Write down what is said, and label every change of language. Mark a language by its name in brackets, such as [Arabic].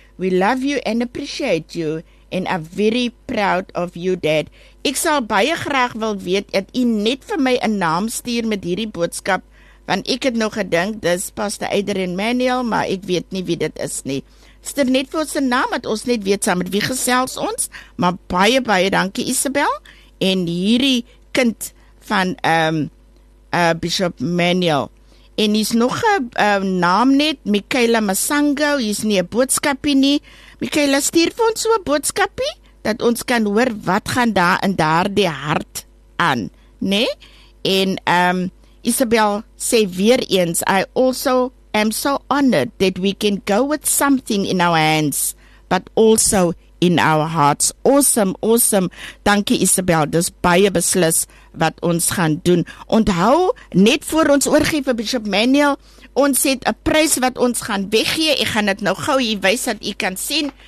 [English] We love you and appreciate you and are very proud of you, Dad. [Afrikaans] Ek sal baie graag wil weet dat u net vir my 'n naam stuur met hierdie boodskap, want ek het nog gedink dis Pastor Adrian Emmanuel, maar ek weet nie wie dit is nie. Stuur net vir ons 'n naam, dat ons net weet saam met wie gesels ons, maar baie, baie dankie Isabel, en hierdie kind van Bishop Emmanuel. En hier is nog een naam net, Michaela Masango, hier is nie een boodskapie nie. Michaela, stuur vir ons so'n boodskapie, dat ons kan hoor wat gaan daar in daar die hart aan, nee? En Isabel sê weer eens, [English] I also am so honored that we can go with something in our hands, but also in our hearts. Awesome, awesome. [Afrikaans] Dankie Isabel, dis baie beslis wat ons gaan doen. Onthou, net voor ons oorgeef vir Bishop Manuel, ons het 'n prys wat ons gaan weggee. Ek gaan dit nou gou hier wys dat u kan sien.